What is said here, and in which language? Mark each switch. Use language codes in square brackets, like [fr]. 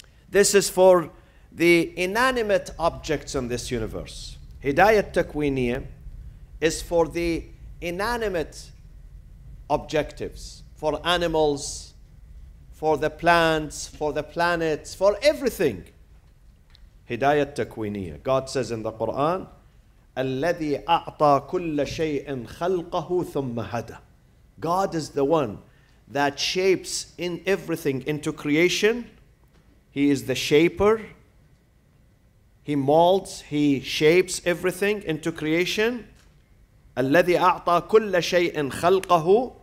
[en] This is for the inanimate objects in this universe. Hidayat takwiniyah is for the inanimate objectives, for animals, for the plants, for the planets, for everything. Hidayat takwiniyah. God says in the Quran, [ar] الَّذِي أَعْطَى كُلَّ شَيْءٍ خَلْقَهُ ثُمَّ هَدَى. [en] God is the one that shapes in everything into creation. He is the shaper. He molds, he shapes everything into creation. [ar] الَّذِي أَعْطَى كُلَّ شَيْءٍ خَلْقَهُ.